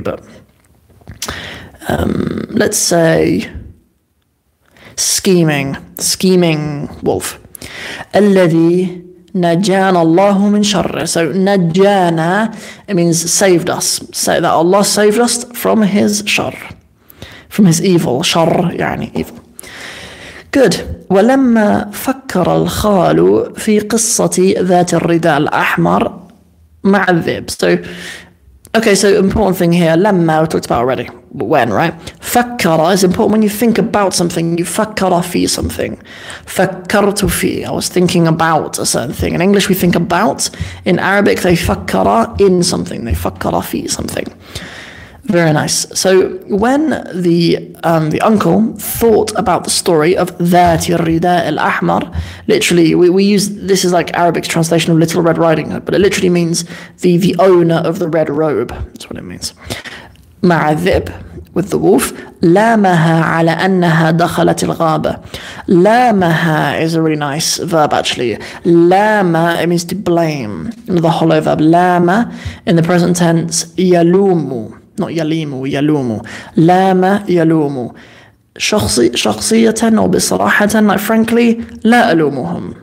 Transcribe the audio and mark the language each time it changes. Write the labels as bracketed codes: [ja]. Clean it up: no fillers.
[en] But let's say scheming wolf. [ar] الذي نجانا الله من شره. [en] So نجانا, it means saved us. Say that Allah saved us from his شر, from his evil. [ar] شر يعني evil. [en] Good. [ar] ولما فكر الخال في قصة ذات الرداء الأحمر مع الذئب. [en] So, okay. So important thing here. لما, we talked about already. When, right? فكر is important when you think about something. You [ar] فكر في [en] something. [ar] فكرت في. [en] I was thinking about a certain thing. In English, we think about. In Arabic, they فكر in something. They [ar] فكر في [en] something. Very nice. So when the uncle thought about the story of [ar] ذات الرداء الأحمر, [en] literally we use this is like Arabic translation of Little Red Riding Hood, but it literally means the owner of the red robe. That's what it means. [ar] مع الذئب, [en] with the wolf. [ar] لامها على أنها دخلت الغابة. [en] لامها is a really nice verb actually. لام, it means to blame. Another hollow verb. لام in the present tense. [ar] يلوم. Not يلِيمُ, يلومُ. لام يلومُ. شخصية أو بصراحة, [en] like frankly, [ar] لا ألومهم.